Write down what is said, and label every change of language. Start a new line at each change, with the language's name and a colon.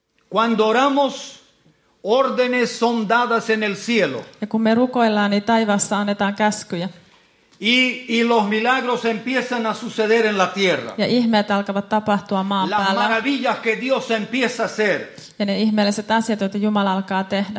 Spanish: Cuando oramos, órdenes son dadas en el cielo.
Finnish: Ja kun me rukoillaan, niin taivaassa annetaan käskyjä.
Spanish: Y los milagros empiezan a suceder en la tierra.
Finnish: Ja ihmeet alkavat tapahtua maan päällä.
Spanish: Las maravillas que Dios empieza a hacer.
Finnish: Ja ne ihmeelliset asiat, joita Jumala alkaa tehdä.